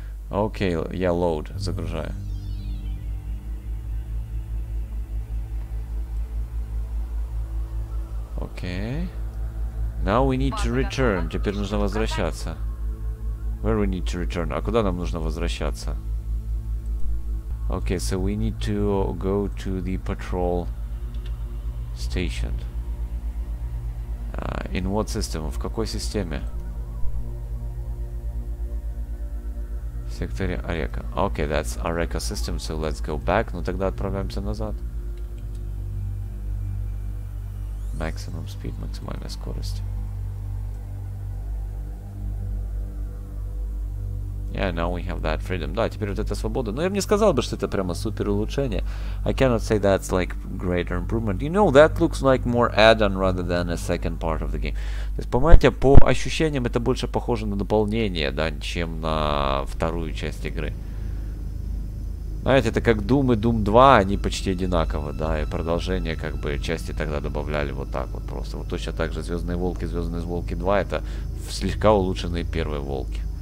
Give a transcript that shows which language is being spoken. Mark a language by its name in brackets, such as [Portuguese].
[English] Okay, yeah, load, [Russian] загружаю. [English] Okay. Now we need to return. [Russian] Теперь нужно возвращаться. [English] Where we need to return? [Russian] А куда нам нужно возвращаться? [English] Okay, so we need to go to the patrol station. In what system? [Russian] В какой системе? В секторе Арека. [English] Okay, that's Арека system, so let's go back. [Russian] Ну тогда отправляемся назад. [English] Maximum speed, [Russian] максимальная скорость. [English] Yeah, now we have that freedom. [Russian] Да, теперь вот эта свобода. Но я бы не сказал бы, что это прямо супер улучшение. [English] I cannot say that's like greater improvement. You know, that looks like more add-on rather than a second part of the game. [Russian] То есть, понимаете, по ощущениям это больше похоже на дополнение, да, чем на вторую часть игры. Знаете, это как Doom и Doom 2, они почти одинаковы, да, и продолжение, как бы, части тогда добавляли вот так вот просто. Вот точно так же Звездные Волки, Звездные Волки 2, это слегка улучшенные первые Волки.